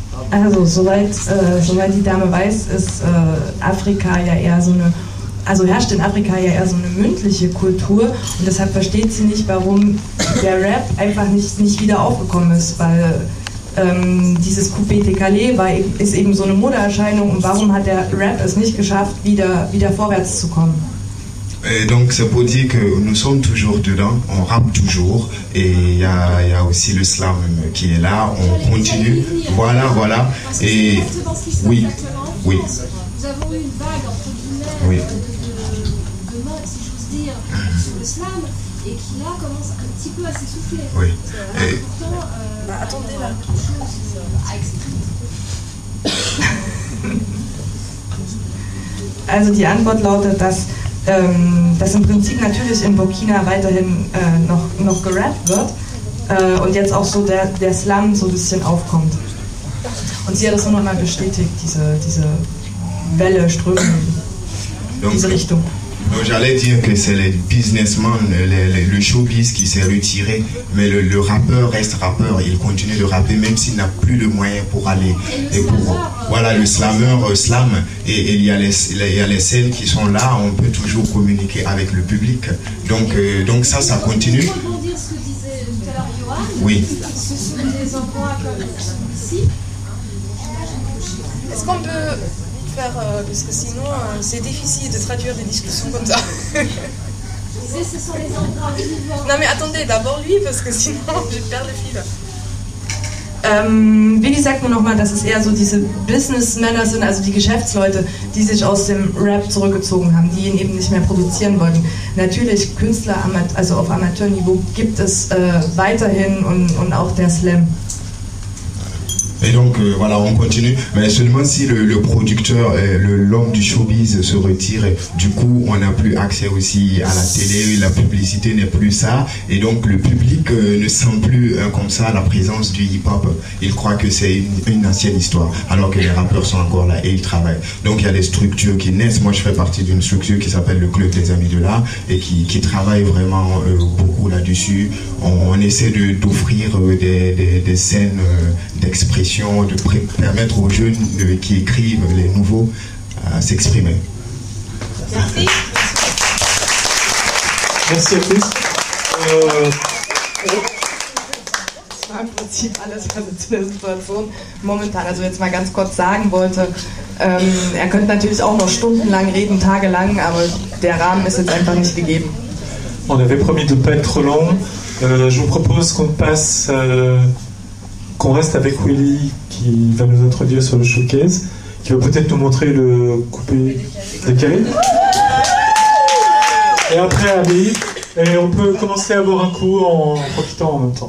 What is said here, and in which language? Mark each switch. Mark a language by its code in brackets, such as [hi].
[de] Also soweit die Dame weiß, ist Afrika ja eher so eine, also herrscht in Afrika ja eher so eine mündliche Kultur, und deshalb versteht sie nicht, warum der Rap einfach nicht wieder aufgekommen ist, weil dieses Coupé Décalé ist eben so eine Modeerscheinung, und warum hat der Rap es nicht geschafft, wieder vorwärts zu kommen? [fr] Et donc c'est pour dire que nous sommes toujours dedans, on rappe toujours, et il y a aussi le slam qui est là, on continue, voilà, et oui, oui. Nous avons eu une vague, entre guillemets, de mode, si j'ose dire, sur le slam, et qui là commence un petit peu à s'essouffler. Oui. Et pourtant, attendez là, quelque chose à expliquer. [de] Also die Antwort lautet, dass im Prinzip natürlich in Burkina weiterhin noch gerappt wird und jetzt auch so der Slum so ein bisschen aufkommt. Und sie hat das auch nochmal bestätigt, diese Welle, Strömung, diese Richtung. [fr] Donc j'allais dire que c'est les businessmen, le showbiz qui s'est retiré, mais le rappeur reste rappeur, il continue de rapper même s'il n'a plus le moyen pour aller. Et pour, voilà, le slammeur slam, et il y a les scènes qui sont là, on peut toujours communiquer avec le public. Donc ça continue. Pour rebondir ce que disait tout à l'heure Johan, oui. Ce sont des emplois comme celui-ci, est-ce qu'on peut faire, parce que sinon c'est difficile de traduire des discussions comme ça. Je disais, ce sont les endroits vivants. Non mais attendez, d'abord lui, parce que sinon je perds le fil. [de] Willi sagt mir nochmal, dass es eher so diese Businessmänner sind, also die Geschäftsleute, die sich aus dem Rap zurückgezogen haben, die ihn eben nicht mehr produzieren wollten. Natürlich, Künstler, also auf Amateurniveau, gibt es weiterhin und auch der Slam. [fr] Et donc voilà, on continue. Mais seulement si le producteur, l'homme du showbiz se retire, du coup on n'a plus accès aussi à la télé, la publicité n'est plus ça. Et donc le public ne sent plus comme ça la présence du hip-hop. Il croit que c'est une ancienne histoire, alors que les rappeurs sont encore là et ils travaillent. Donc il y a des structures qui naissent. Moi je fais partie d'une structure qui s'appelle le Club des Amis de l'Art et qui travaille vraiment beaucoup là-dessus. On essaie d'offrir des scènes d'expression, de permettre aux jeunes qui écrivent, les nouveaux, à s'exprimer. Merci. Merci à tous. [de] Im Prinzip alles, was ich zu der Situation momentan, also jetzt mal ganz kurz sagen wollte. Er könnte natürlich auch noch stundenlang reden, tagelang, aber der Rahmen ist jetzt einfach nicht gegeben. [fr] On avait promis de ne pas être trop long. Je vous propose qu'on passe... qu'on reste avec Willy qui va nous introduire sur le showcase, qui va peut-être nous montrer le coupé décalé. Et après Abby, et on peut commencer à boire un coup en profitant en même temps.